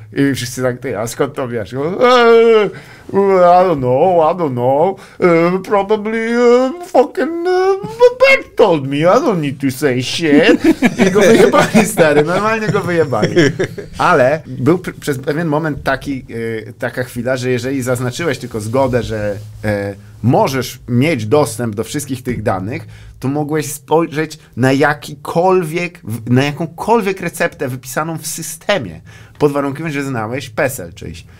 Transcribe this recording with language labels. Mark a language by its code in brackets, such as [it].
[pl] I wszyscy tak, ty, a skąd to wiesz? [en] I don't know, probably fucking Bert told me, I don't need to say shit. [pl] I go wyjebali, stary, normalnie go wyjebali. Ale był przez pewien moment taka chwila, że jeżeli zaznaczyłeś tylko zgodę, że możesz mieć dostęp do wszystkich tych danych, to mogłeś spojrzeć na jakąkolwiek receptę wypisaną w systemie, pod warunkiem, że znałeś PESEL czyjś.